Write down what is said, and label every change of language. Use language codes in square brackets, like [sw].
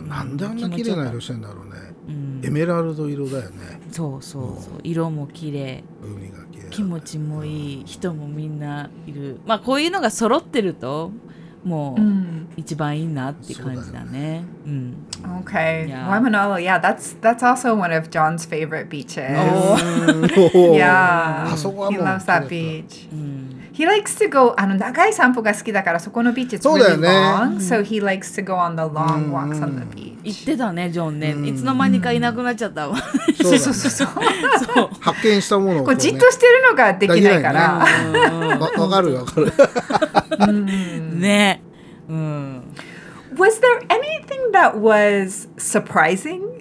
[ja] なんであんな綺麗な色してんだろうね。うん、エメラルド色だよね。そうそうそう。うん、色も綺麗。海が綺麗。気持ちもいい、うん。人もみんないる。まあこういうのが揃ってるともう一番いいなって感じだね。うん。 [en] OK。ワイマナロ、yeah, that's also one of John's favorite beaches. Oh. yeah. He loves that beach. He likes to go. [ja] あの長い散歩が好きだからそこのビーチ [en] is really long.、 [ja] ね、 [en] so he likes to go on the long walks on the beach. [ja] 行ってたね、ジョンね、うん、いつの間にかいなくなっちゃったわ、うん、そうそうそうそう発見したものをこう、ね、こうじっとしてるのができないから、ね、わかるわかる、うん、ね、うん、 [en] Was there anything that was surprising?